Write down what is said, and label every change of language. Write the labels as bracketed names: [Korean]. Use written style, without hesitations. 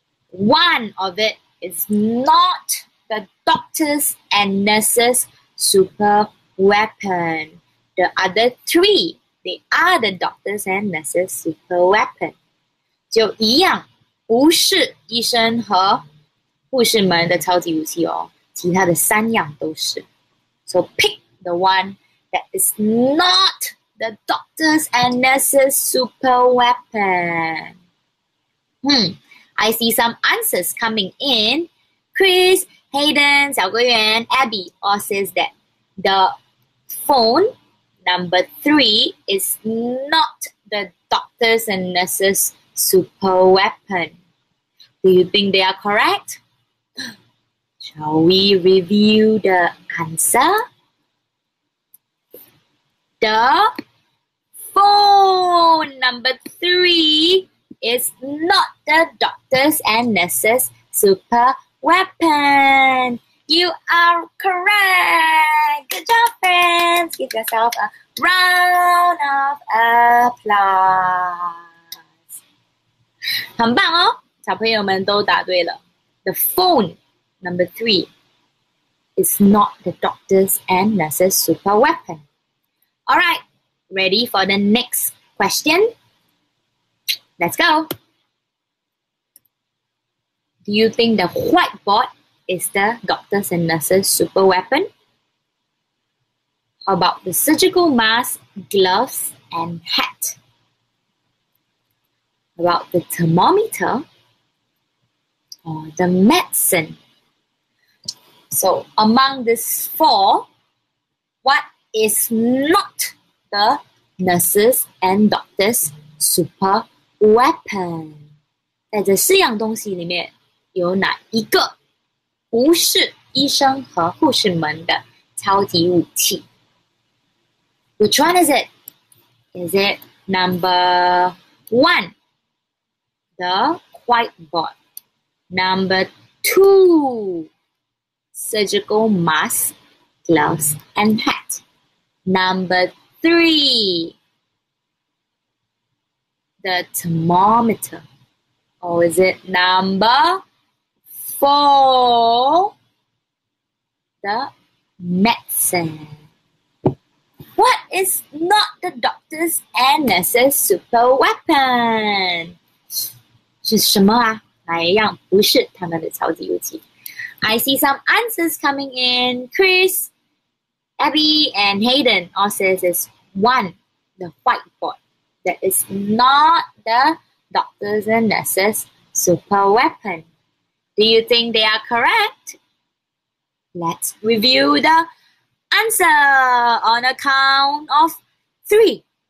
[English] One of it is not the doctor's and nurse's super weapon. The other three the other doctors and nurses with her weapon. [Chinese] 就一样，无视医生和护士们的超级武器哦，其他的三样都是。 [English] So pick the one that is not the doctors and nurses super weapon. I see some answers coming in. Chris, Hayden, 小桂圆, Abby all says that the phone number 3 is not the doctors and nurses super weapon. Do you think they are correct? Shall we review the answer? The phone number 3 is not the doctors and nurses super weapon. You are correct. Good job, friends. Give yourself a round of applause. [Chinese] 很棒哦，小朋友们都答对了。 [English] The phone number 3 is not the doctors and nurses super weapon. All right, ready for the next question? Let's go. Do you think the whiteboard is the doctors and nurses super weapon? How about the surgical mask, gloves, and hat? How about the thermometer or the medicine? So among these four, what is not the nurses and doctors super weapon. [Chinese] 在这四样东西里面有哪一个不是医生和护士们的超级武器? [English] Which one is it? Is it number 1, the whiteboard? Number 2, surgical mask, gloves, and hat? Number 3, the thermometer. Or is it number 4, the medicine? What is not the doctors and nurses super weapon? [Chinese] 是什么啊？哪一样不是他们的超级武器？ [English] I see some answers coming in. Chris. Abby and Hayden all says it's 1, the whiteboard. That is not the doctors and nurses super weapon. Do you think they are correct? Let's review the answer on a count of 3.